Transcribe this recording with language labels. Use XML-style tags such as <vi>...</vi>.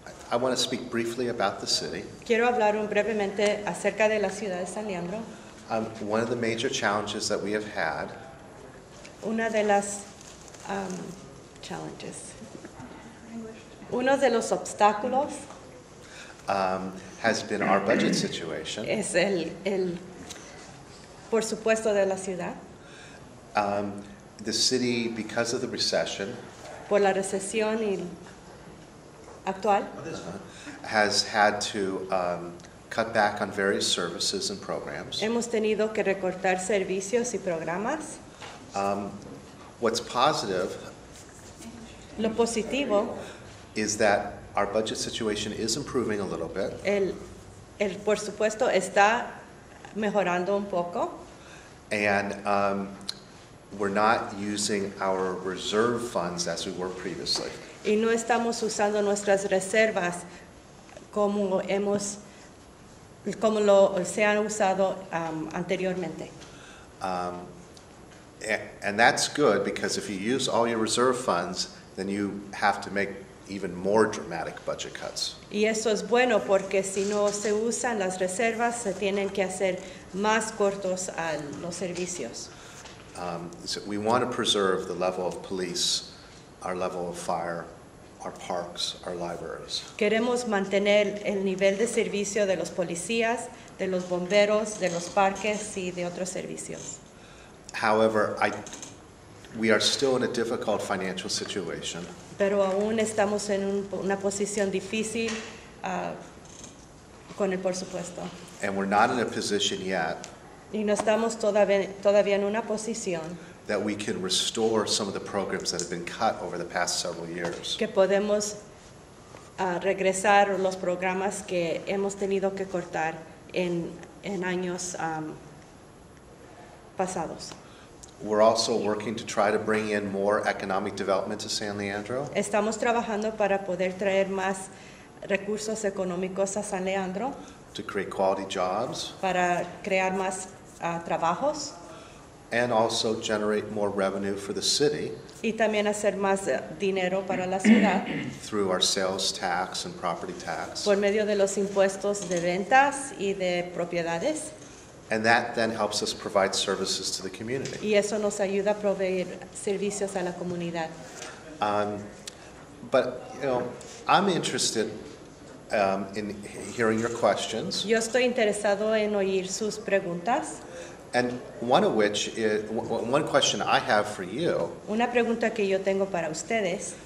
<en>I want to speak briefly about the city.</en> <es>Quiero hablar brevemente acerca de la ciudad de San Leandro.</es> <en>One of the major challenges that we have had.</en> <es>Una de las challenges. Uno de los obstáculos.</es> <en>Has been our budget situation.</en> <es>Es el presupuesto de la ciudad.</es> <en>The city, because of the recession.</en> <es>Por la recesión y actual,</es> <en>has had to cut back on various services and programs.</en> <es>Hemos tenido que recortar servicios y programas.</es> <en>What's positive,</en> <es>lo positivo,</es> <en>is that our budget situation is improving a little bit.</en> <es>El presupuesto está mejorando un poco.</es> <en>And we're not using our reserve funds as we were previously.</en> <es>Y no estamos usando nuestras reservas como lo se han usado anteriormente.</es> <en>And that's good, because if you use all your reserve funds, then you have to make even more dramatic budget cuts.</en> <es>Y eso es bueno, porque si no se usan las reservas, se tienen que hacer más cortos a los servicios.</es> <en>So we want to preserve the level of police, our level of fire, our parks, our libraries.</en> <es>Queremos mantener el nivel de servicio de los policías, de los bomberos, de los parques y de otros servicios.</es> <en>However, we are still in a difficult financial situation.</en> <es>Pero aún estamos en una posición difícil con el presupuesto.</es> <en>And we're not in a position yet.</en> <es>Y no estamos todavía en una posición</es> <en>that we can restore some of the programs that have been cut over the past several years.</en> <es>Que podemos regresar los programas que hemos tenido que cortar en años pasados.</es> <en>We're also working to try to bring in more economic development to San Leandro.</en> <es>Estamos trabajando para poder traer más recursos económicos a San Leandro.</es> <en>To create quality jobs.</en> <es>Para crear más trabajos.</es> <en>And also generate more revenue for the city.</en> <es>Y también hacer más dinero para la ciudad.</es> <en>Through our sales tax and property tax.</en> <es>Por medio de los impuestos de ventas y de propiedades.</es> <en>And that then helps us provide services to the community.</en> <es>Y eso nos ayuda a proveer servicios a la comunidad.</es> <en>But, you know, I'm interested in hearing your questions.</en> <es>Yo estoy interesado en oír sus preguntas.</es> <en>And one of which is, one question I have for you.</en> <es>Una pregunta que yo tengo para ustedes.</es>